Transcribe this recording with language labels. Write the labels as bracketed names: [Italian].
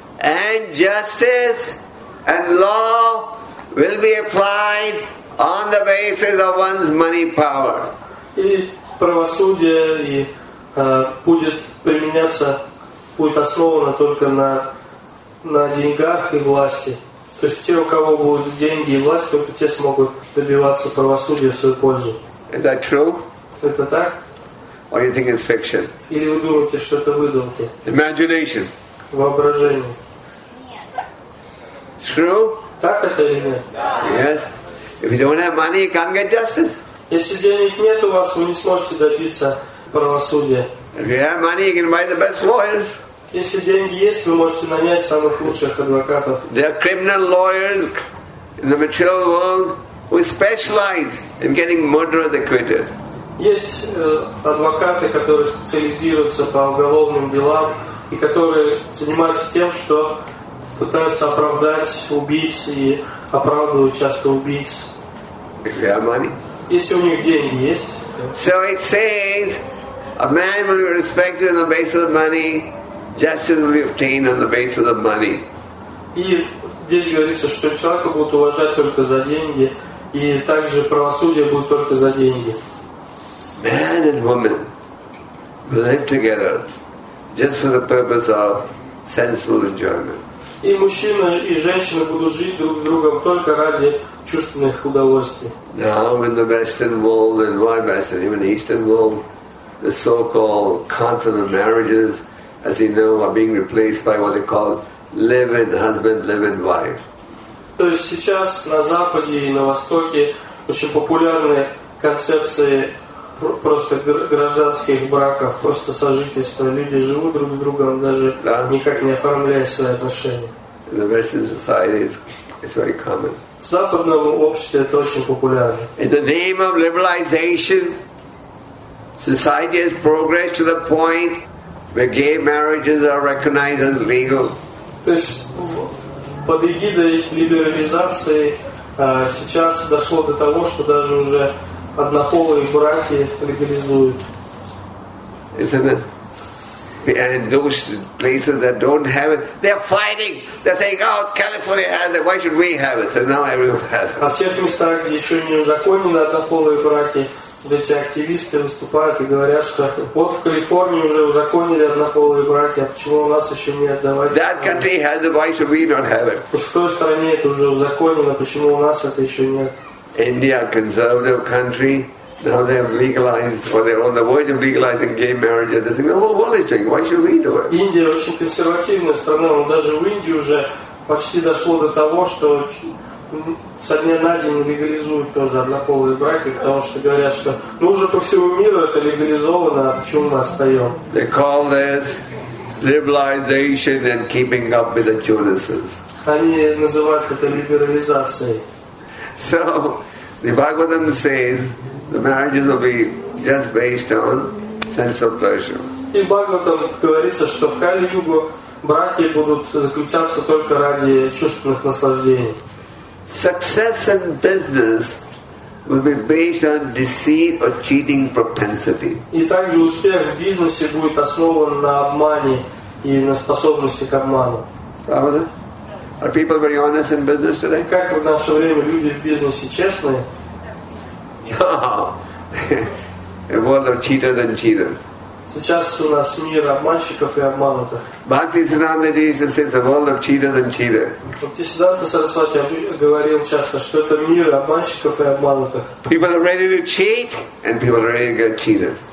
[English] And justice and law will be applied on the basis of one's money power. [Russian] И правосудие и будет применяться, будет основано только на деньгах и власти. То есть те, у кого будут деньги и власть, только те смогут добиваться правосудия в свою пользу. [English] Is that true? [Russian] Это так? [English] Or you think it's fiction? [Russian] Или вы думаете, что это выдумки? [English] Imagination. [Russian] Воображение. [English] It's true? [Russian] Так это или нет? [English] Yes. If you don't have money, you can't get justice. [Russian] Если денег нет у вас, вы не сможете добиться правосудия. [English] If you have money, you can buy the best lawyers. [Russian] Если деньги есть, вы можете нанять самых лучших адвокатов. [English] There are criminal lawyers in the material world who specialize in getting murderers acquitted. [Russian] Есть адвокаты, которые специализируются по уголовным делам и которые занимаются тем, что пытаются оправдать убийц и оправдывают часто убийц. [English] If they have money. [Russian] Если у них деньги есть. [English] So it says, a man will be respected on the basis of money. Justice will be obtained on the basis of money. [Russian] И здесь говорится, что человека будут уважать только за деньги, и также правосудие будет только за деньги. [English] Man and woman live together just for the purpose of sensual enjoyment. [Russian] И мужчина и женщина будут жить друг с другом только ради чувственных удовольствий. [English] Now in the Western world, and why Western, even Eastern world, the so-called continental marriages, as you know, are being replaced by what they call live-in husband, live-in wife. [Russian] То есть сейчас на Западе и на Востоке очень популярны концепции просто гражданских браков, просто сожительства. Люди живут друг с другом, даже никак не оформляя свои отношения. [English] In the Western society, it's very common. [Russian] В западном обществе это очень популярно. [English] In the name of liberalization, society has progressed to the point where gay marriages are recognized as legal. [Russian] То есть под эгидой либерализации сейчас дошло до того, что даже уже однополые браки легализуют. [English] Isn't it? And those places that don't have it, they're fighting. They're saying, oh, California has it, why should we have it? So now everyone has it. [Russian] А в тех местах, где еще не узаконены однополые браки, вот эти активисты выступают и говорят, что вот в Калифорнии уже узаконили однополые браки, а почему у нас еще нет? Давайте. [English] That country has it, why should we not have it? [Russian] Вот в той стране это уже узаконено, почему у нас это еще нет? [English] India, a conservative country, now they have legalized, or they're on the verge of legalizing gay marriage. They think the whole world is doing. Why should we do it? India is a very conservative country, but even in India, it's almost reached the point that [Russian] со дня на день легализуют тоже однополые браки, потому что говорят, что ну уже по всему миру это легализовано, а почему мы отстаем? [English] They call this liberalization and keeping up with the Joneses. [Russian] Они называют это либерализацией. [English] So, the Bhagavatam says the marriages will be just based on sense of pleasure. [Russian] И Бхагаватам говорится, что в Кали-Югу браки будут заключаться только ради чувственных наслаждений. [English] Success in business will be based on deceit or cheating propensity. [Russian] И также успех в бизнесе будет основан на обмане и на способности к обману. Правда? [English] Are people very honest in business today? [Russian] Как в наше время люди в бизнесе честные? [English] A world of cheaters and cheaters. [Russian] Сейчас у нас мир обманщиков и обманутых. [English] Bhakti Siddhanta Jesus says the world of cheaters and cheaters. [Russian] Бхакти Сиддханта Сарасвати говорил часто, что это мир обманщиков и обманутых. [English] People are ready to cheat and people are ready to get cheated.